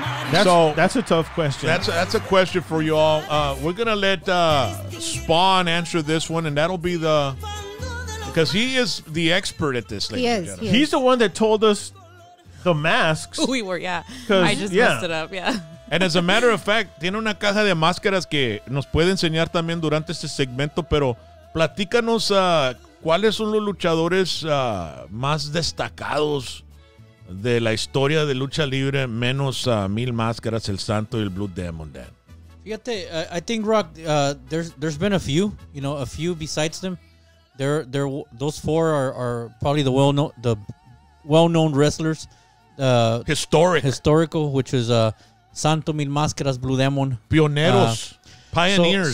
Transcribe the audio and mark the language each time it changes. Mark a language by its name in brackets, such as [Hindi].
[English] That's a tough question. That's a question for you all. We're going to let Spawn answer this one, and that'll be the... Because he is the expert at this. He is. He's the one that told us the masks. We were, yeah. I just messed it up, yeah. And as a matter of fact, [Spanish] tiene una caja de máscaras que nos puede enseñar también durante este segmento, pero platícanos cuáles son los luchadores más destacados de la historia de lucha libre menos Mil Máscaras, El Santo y el Blue Demon, Dan. [English] Fíjate, I think, Rock, there's been a few, you know, a few besides them. Those four are probably the well-known wrestlers. Historical, which is Santo, Mil Máscaras, Blue Demon. [Spanish] Pioneros, [English] pioneers.